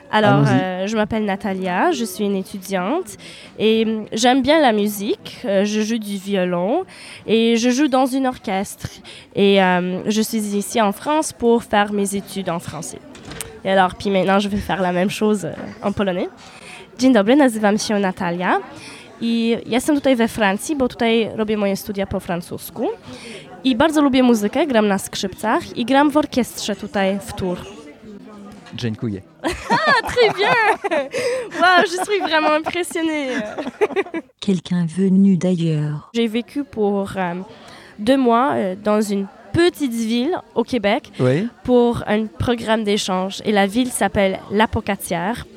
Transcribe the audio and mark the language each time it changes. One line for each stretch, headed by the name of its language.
French: Alors je m'appelle Natalia, je suis une étudiante et j'aime bien la musique, je joue du violon et je joue dans une orchestre et je suis ici en France pour faire mes études en français. Et alors, puis maintenant, je vais faire la même chose en polonais.
Polish: Dzień dobry, nazywam się Natalia i jestem tutaj we Francji, bo tutaj robię moje studia po francusku i bardzo lubię muzykę, gram na skrzypcach i gram w orkiestrze tutaj w Tour. Dziękuję.
French: Ah, très bien. Wow, je suis vraiment impressionnée. Quelqu'un venu d'ailleurs. J'ai vécu pour 2 mois dans une petite ville au Québec oui. pour un programme d'échange. Et la ville s'appelle L'Apocatière.